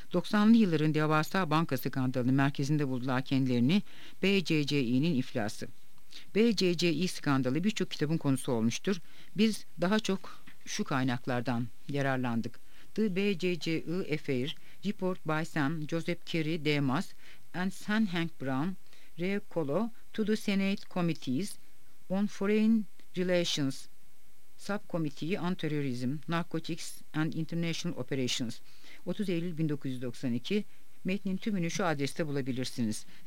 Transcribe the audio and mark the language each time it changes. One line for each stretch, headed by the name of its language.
Turkish: 90'lı yılların devasa bankası skandalının merkezinde buldular kendilerini. BCCI'nin iflası. BCCI skandalı birçok kitabın konusu olmuştur. Biz daha çok şu kaynaklardan yararlandık.
English: The BCCI Affair, Report by Sam Joseph Kerry Demas and Sanhank Brown, Rev Colo to the Senate Committees on Foreign Relations Subcommittee on Terrorism, Narcotics and International Operations.
Turkish: 30 Eylül 1992. Metnin tümünü şu adreste bulabilirsiniz.